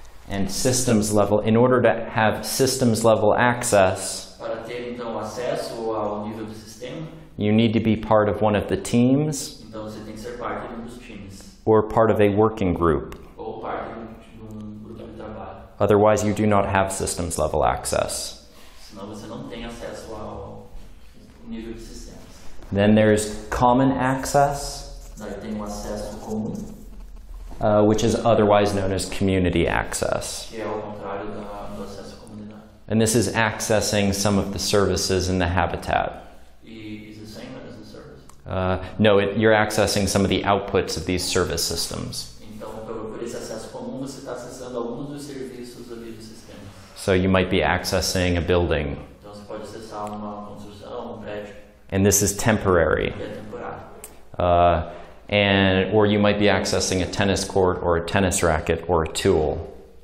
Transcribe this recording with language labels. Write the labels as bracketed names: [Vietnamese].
[English] And systems level, in order to have systems level access, [Portuguese] para ter, então, acesso ao nível do sistema, [English] you need to be part of one of the teams, [Portuguese] então, você tem que ser parte de um dos times, [English] or part of a working group. [Portuguese] Ou parte de um grupo de trabalho. [English] Otherwise, you do not have systems level access. [Portuguese] Senão você não tem acesso ao nível de sistemas. [English] Then there's common access. [Portuguese] Daí tem um acesso comum. [English] Which is otherwise known as community access. [Portuguese] Que é ao contrário do acesso à comunidade. [English] And this is accessing some of the services in the habitat. Is the same as the service? You're accessing some of the outputs of these service systems. [Portuguese] Então, por esse acesso comum, você está acessando alguns dos serviços ali do sistema. [English] So you might be accessing a building. [Portuguese] Então, você pode acessar uma construção, um prédio. [English] And this is temporary. Or you might be accessing a tennis court or a tennis racket or a tool.